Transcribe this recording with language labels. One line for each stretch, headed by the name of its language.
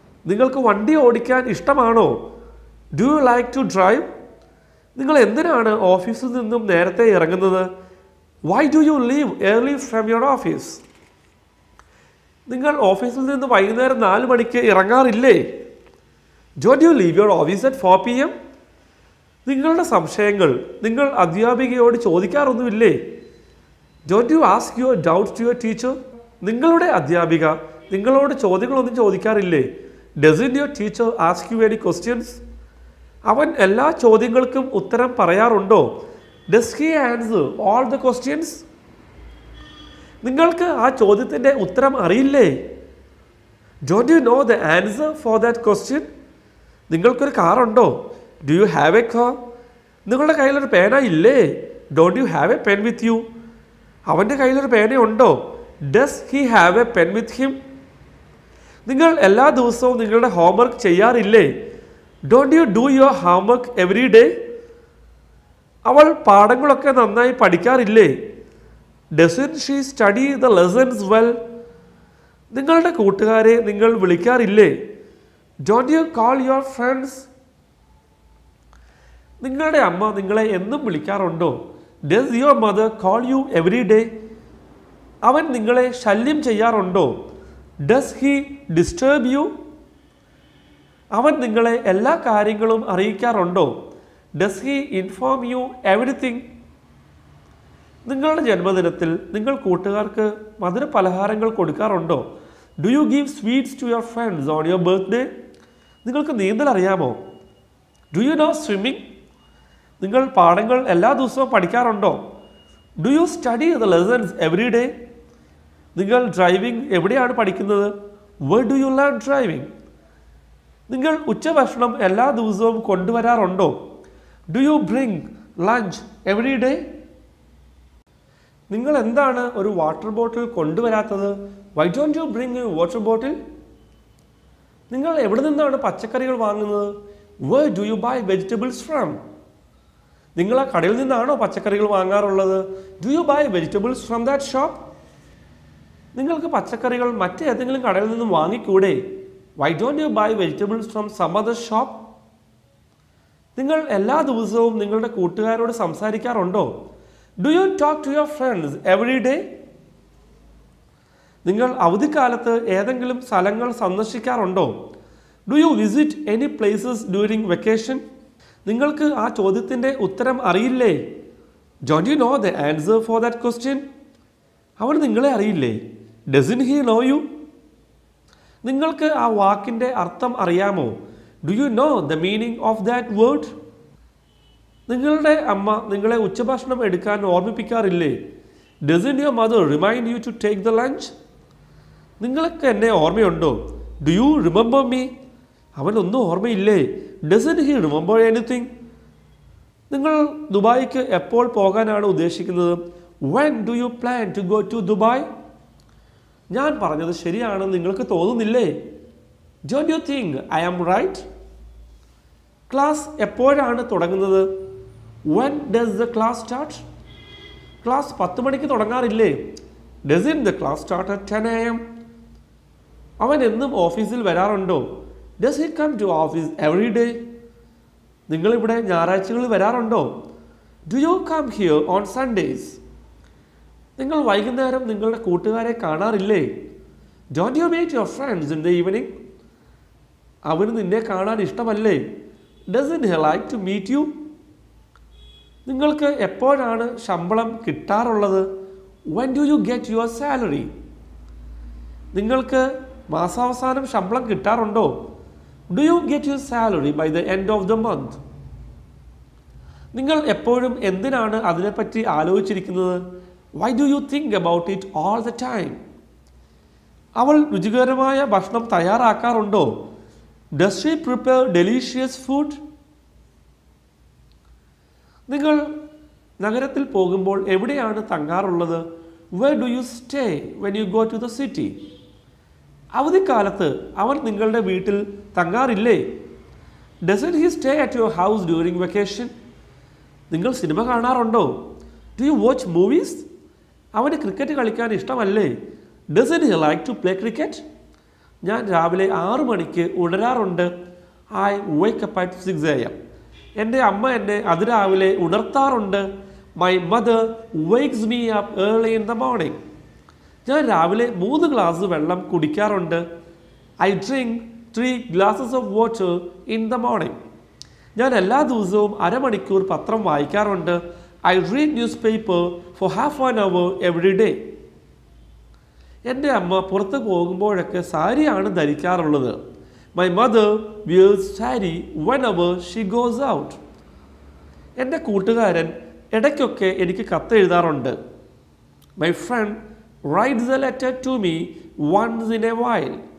Malayalam: നിങ്ങൾക്ക് വണ്ടി ഓടിക്കാൻ ഇഷ്ടമാണോ?
English: Do you like to drive?
Malayalam: നിങ്ങൾ എന്തിനാണ് ഓഫീസിൽ നിന്നും നേരത്തെ ഇറങ്ങുന്നത്?
English: Why do you leave early from your office?
Malayalam: നിങ്ങൾ ഓഫീസിൽ നിന്ന് വൈകുന്നേരം 4 മണിക്ക് ഇറങ്ങാറില്ലേ?
English: Don't you leave your office at 4 p.m.?
Malayalam: നിങ്ങളുടെ സംശയങ്ങൾ നിങ്ങൾ അധ്യാപികയോട് ചോദിക്കാറൊന്നുമില്ലേ?
English: Don't you ask your doubts to your teacher?
Malayalam: നിങ്ങളുടെ അധ്യാപിക നിങ്ങളോട് ചോദ്യങ്ങളൊന്നും ചോദിക്കാറില്ലേ?
English: Doesn't your teacher ask you any questions?
Malayalam: അവൻ എല്ലാ ചോദ്യങ്ങൾക്കും ഉത്തരം പറയാറുണ്ടോ?
English: Does he answer all the questions?
Malayalam: നിങ്ങൾക്ക് ആ ചോദ്യത്തിൻ്റെ ഉത്തരം അറിയില്ലേ?
English: Don't you know the answer for that question?
Malayalam: നിങ്ങൾക്കൊരു കാറുണ്ടോ?
English: Do you have a car?
Malayalam: നിങ്ങളുടെ കയ്യിലൊരു പേന ഇല്ലേ?
English: Don't you have a pen with you?
Malayalam: അവൻ്റെ കയ്യിലൊരു പേനയുണ്ടോ?
English: Does he have a pen with him?
Malayalam: നിങ്ങൾ എല്ലാ ദിവസവും നിങ്ങളുടെ homework ചെയ്യാറില്ലേ?
English: Don't you do your homework every day?
Malayalam: അവൾ പാഠങ്ങളൊക്കെ നന്നായി പഠിക്കാറില്ലേ?
English: Doesn't she study the lessons well?
Malayalam: നിങ്ങളുടെ കൂട്ടുകാരെ നിങ്ങൾ വിളിക്കാറില്ലേ?
English: Don't you call your friends?
Malayalam: നിങ്ങളുടെ അമ്മ നിങ്ങളെ എന്നും വിളിക്കാറുണ്ടോ?
English: Does your mother call you every day?
Malayalam: അവൻ നിങ്ങളെ ശല്യം ചെയ്യാറുണ്ടോ?
English: Does he disturb you?
Malayalam: അവൻ നിങ്ങളെ എല്ലാ കാര്യങ്ങളും അറിയിക്കാറുണ്ടോ?
English: Does he inform you everything?
Malayalam: നിങ്ങളുടെ ജന്മദിനത്തിൽ നിങ്ങൾ കൂട്ടുകാർക്ക് മധുരപലഹാരങ്ങൾ കൊടുക്കാറുണ്ടോ?
English: Do you give sweets to your friends on your birthday?
Malayalam: നിങ്ങൾക്ക് നീന്തൽ അറിയാമോ?
English: Do you know swimming?
Malayalam: നിങ്ങൾ പാഠങ്ങൾ എല്ലാ ദിവസവും പഠിക്കാറുണ്ടോ?
English: Do you study the lessons every day?
Malayalam: നിങ്ങൾ ഡ്രൈവിംഗ് എവിടെയാണ് പഠിക്കുന്നത്?
English: Where do you learn driving?
Malayalam: നിങ്ങൾ ഉച്ചഭക്ഷണം എല്ലാ ദിവസവും കൊണ്ടുവരാറുണ്ടോ?
English: Do you bring lunch every day?
Malayalam: നിങ്ങൾ എന്താണ് ഒരു water bottle കൊണ്ടുവരാത്തത്?
English: Why don't you bring a water bottle?
Malayalam: നിങ്ങൾ എവിടെ നിന്നാണ് പച്ചക്കറികൾ വാങ്ങുന്നത്?
English: Where do you buy vegetables from?
Malayalam: നിങ്ങൾ ആ കടയിൽ നിന്നാണോ പച്ചക്കറികൾ വാങ്ങാറുള്ളത്?
English: Do you buy vegetables from that shop?
Malayalam: നിങ്ങൾക്ക് പച്ചക്കറികൾ മറ്റേതെങ്കിലും കടയിൽ നിന്നും വാങ്ങിക്കൂടെ?
English: Why don't you buy vegetables from some other shop?
Malayalam: നിങ്ങൾ എല്ലാ ദിവസവും നിങ്ങളുടെ കൂട്ടുകാരോട് സംസാരിക്കാറുണ്ടോ?
English: Do you talk to your friends every day?
Malayalam: നിങ്ങൾ അവധിക്കാലത്ത് ഏതെങ്കിലും സ്ഥലങ്ങൾ സന്ദർശിക്കാറുണ്ടോ?
English: Do you visit any places during vacation?
Malayalam: നിങ്ങൾക്ക് ആ ചോദ്യത്തിൻ്റെ ഉത്തരം അറിയില്ലേ?
English: Don't you know the answer for that question?
Malayalam: അവൻ നിങ്ങളെ അറിയില്ലേ?
English: Doesn't he know you?
Malayalam: നിങ്ങൾക്ക് ആ വാക്കിൻ്റെ അർത്ഥം അറിയാമോ?
English: Do you know the meaning of that word?
Malayalam: നിങ്ങളുടെ അമ്മ നിങ്ങളെ ഉച്ചഭക്ഷണം എടുക്കാൻ ഓർമ്മിപ്പിക്കാറില്ലേ?
English: Doesn't your mother remind you to take the lunch?
Malayalam: നിങ്ങൾക്ക് എന്നെ ഓർമ്മയുണ്ടോ?
English: Do you remember me?
Malayalam: അവനൊന്നും ഓർമ്മയില്ലേ?
English: Doesn't he remember anything?
Malayalam: നിങ്ങൾ ദുബായിക്ക് എപ്പോൾ പോകാനാണ് ഉദ്ദേശിക്കുന്നത്?
English: When do you plan to go to Dubai?
Malayalam: ഞാൻ പറഞ്ഞത് ശരിയാണെന്ന് നിങ്ങൾക്ക് തോന്നുന്നില്ലേ?
English: Don't you think I am right?
Malayalam: Class എപ്പോഴാണ് തുടങ്ങുന്നത്?
English: When does the class start?
Malayalam: Class 10 മണിക്ക് തുടങ്ങാറില്ലേ?
English: Doesn't the class start at 10 a.m.?
Malayalam: അവൻ എന്നും ഓഫീസിൽ വരാറുണ്ടോ?
English: Does he come to office every day?
Malayalam: നിങ്ങളിവിടെ ഞായറാഴ്ചകളിൽ വരാറുണ്ടോ?
English: Do you come here on Sundays?
Malayalam: നിങ്ങൾ വൈകുന്നേരം നിങ്ങളുടെ കൂട്ടുകാരെ കാണാറില്ലേ?
English: Don't you meet your friends in the evening?
Malayalam: അവന് നിന്നെ കാണാൻ ഇഷ്ടമല്ലേ?
English: Doesn't he like to meet you?
Malayalam: നിങ്ങൾക്ക് എപ്പോഴാണ് ശമ്പളം കിട്ടാറുള്ളത്?
English: When do you get your salary?
Malayalam: നിങ്ങൾക്ക് മാസാവസാനം ശമ്പളം കിട്ടാറുണ്ടോ?
English: Do you get your salary by the end of the month?
Malayalam: നിങ്ങൾ എപ്പോഴും എന്തിനാണ് അതിനെപ്പറ്റി ആലോചിച്ചിരിക്കുന്നത്?
English: Why do you think about it all the time?
Malayalam: അവൾ രുചികരമായ ഭക്ഷണം തയ്യാറാക്കാറുണ്ടോ?
English: Does she prepare delicious food?
Malayalam: നിങ്ങൾ നഗരത്തിൽ പോകുമ്പോൾ എവിടെയാണ് തങ്ങാറുള്ളത്?
English: Where do you stay when you go to the city?
Malayalam: അവധിക്കാലത്ത് അവൻ നിങ്ങളുടെ വീട്ടിൽ തങ്ങാറില്ലേ?
English: Doesn't he stay at your house during vacation?
Malayalam: നിങ്ങൾ സിനിമ കാണാറുണ്ടോ?
English: Do you watch movies?
Malayalam: അവന് ക്രിക്കറ്റ് കളിക്കാൻ ഇഷ്ടമല്ലേ?
English: Doesn't he like to play cricket?
Malayalam: ഞാൻ രാവിലെ 6 മണിക്ക് ഉണരാറുണ്ട്.
English: I wake up at 6 a.m.
Malayalam: എൻ്റെ അമ്മ എന്നെ അതിരാവിലെ ഉണർത്താറുണ്ട്.
English: My mother wakes me up early in the morning.
Malayalam: ഞാൻ രാവിലെ 3 ഗ്ലാസ് വെള്ളം കുടിക്കാറുണ്ട്.
English: I drink 3 glasses of water in the morning.
Malayalam: ഞാൻ എല്ലാ ദിവസവും അരമണിക്കൂർ പത്രം വായിക്കാറുണ്ട്.
English: I read newspaper for half an hour every day.
Malayalam: എൻ്റെ അമ്മ പുറത്ത് പോകുമ്പോഴൊക്കെ സാരിയാണ് ധരിക്കാറുള്ളത്.
English: My mother wears sari whenever she goes out.
Malayalam: എൻ്റെ കൂട്ടുകാരൻ ഇടയ്ക്കൊക്കെ എനിക്ക് കത്തെഴുതാറുണ്ട്.
English: My friend writes a letter to me once in a while.